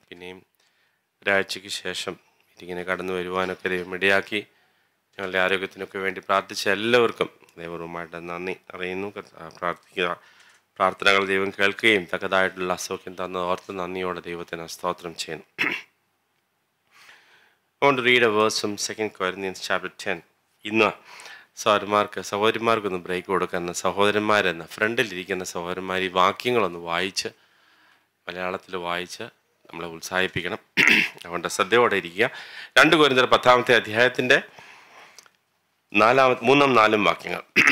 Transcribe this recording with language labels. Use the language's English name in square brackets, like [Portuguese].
[Malayalam] പിന്നെയും ഒരാഴ്ചയ്ക്ക് ശേഷം മീറ്റിങ്ങിനെ കടന്നു വരുവാനൊക്കെ ദൈവമിടയാക്കി ഞങ്ങളുടെ ആരോഗ്യത്തിനൊക്കെ വേണ്ടി പ്രാർത്ഥിച്ച എല്ലാവർക്കും ദൈവവുമായിട്ട് നന്ദി അറിയുന്നു. പ്രാർത്ഥിക്കുക, പ്രാർത്ഥനകൾ ദൈവം കേൾക്കുകയും തക്കതായിട്ടുള്ള അസൗഖ്യം തന്ന ഓർത്ത് നന്ദിയോടെ ദൈവത്തിന് സ്തോത്രം ചെയ്യുന്നു. [English] I want to read a verse from 2 Corinthians chapter 10. [Malayalam] ഇന്ന് സഹോദരന്മാർക്ക് സഹോദരന്മാർക്കൊന്ന് ബ്രേക്ക് കൊടുക്കുന്ന സഹോദരന്മാരെന്ന ഫ്രണ്ടിലിരിക്കുന്ന സഹോദരന്മാർ ഈ വാക്യങ്ങളൊന്ന് വായിച്ച് മലയാളത്തിൽ വായിച്ച് നമ്മളെ ഉത്സാഹിപ്പിക്കണം. അതുകൊണ്ട് ശ്രദ്ധയോടെ ഇരിക്കുക. 2 Corinthians 10:3-4 വാക്യങ്ങൾ.